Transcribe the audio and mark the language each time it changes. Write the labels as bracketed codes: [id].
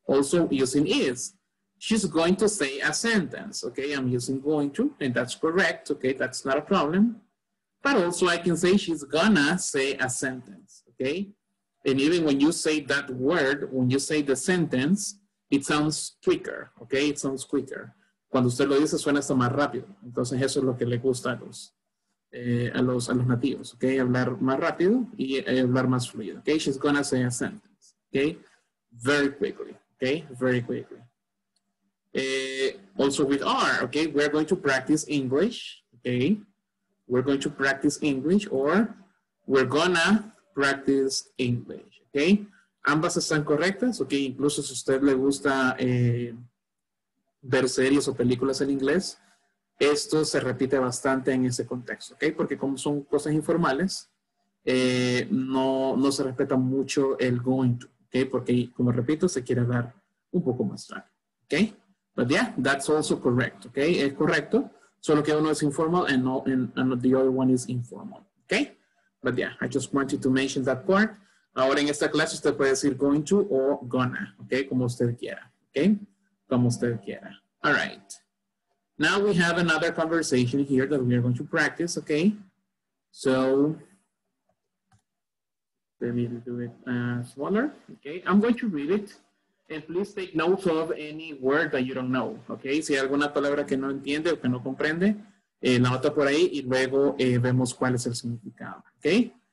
[en] Also using is, she's going to say a sentence, okay? I'm using going to, and that's correct, okay? That's not a problem. But also I can say she's gonna say a sentence, okay? And even when you say that word, when you say the sentence, it sounds quicker, okay? It sounds quicker. [es] Cuando usted lo dice, suena hasta más rápido. Entonces, eso es lo que le gusta a los, a los nativos, okay, hablar más rápido y hablar más fluido, okay. [en] She's gonna say a sentence, okay, very quickly, okay, very quickly. Also with R, okay, we're going to practice English, okay, we're going to practice English, or we're gonna practice English, okay. [es] Ambas están correctas, okay. Incluso si usted le gusta ver series o películas en inglés, esto se repite bastante en ese contexto, ¿ok? Porque como son cosas informales, no se respeta mucho el going to, ¿ok? Porque, como repito, se quiere dar un poco más rápido, ¿ok? [en] But yeah, that's also correct, ¿ok? [es] Es correcto, solo que uno es informal [en] and the other one is informal, ¿ok? But yeah, I just wanted to mention that part. [es] Ahora en esta clase usted puede decir going to o gonna, ¿ok? Como usted quiera, ¿ok? Como usted quiera. All right. [en] Now we have another conversation here that we are going to practice, okay? So, let me do it smaller, okay? I'm going to read it, and please take notes of any word that you don't know, okay? [es] Si hay alguna palabra que no entiende o que no comprende, la nota por ahí y luego vemos cuál es el significado, okay?